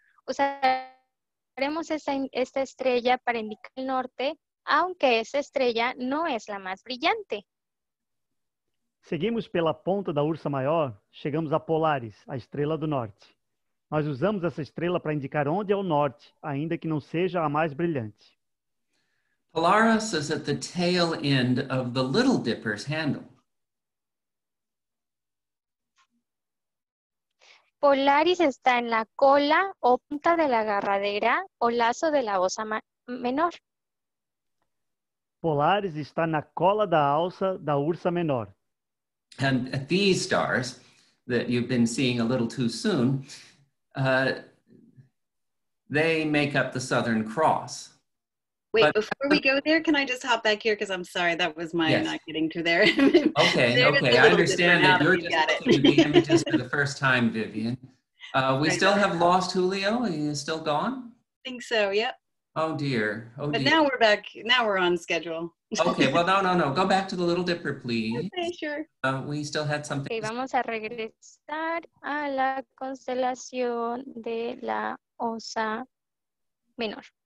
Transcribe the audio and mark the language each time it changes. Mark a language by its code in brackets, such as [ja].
[es] Usaremos esta estrella para indicar el norte, aunque esa estrella no es la más brillante. [pt] Seguimos pela ponta da Ursa Maior, chegamos a Polaris, a estrela do norte. Nós usamos essa estrela para indicar onde é o norte, ainda que não seja a mais brilhante. [en] Polaris is at the tail end of the Little Dipper's handle. [es] Polaris está en la cola o punta de la agarradera o lazo de la Osa Menor. [pt] Polaris está na cola da alça da ursa menor. [en] And these stars that you've been seeing a little too soon, they make up the Southern Cross. Wait, but, before we go there, can I just hop back here? Because I'm sorry, that was my yes. not getting to there. Okay, okay, I understand that you're just looking at the images for the first time, Vivian. We right. still have lost Julio? He is still gone? I think so, yep. Oh dear, oh but dear. But now we're back, now we're on schedule. Okay, well, no. Go back to the Little Dipper, please. Okay, sure. We still had something. [es] Okay, vamos a regresar a la constelación de la osa menor.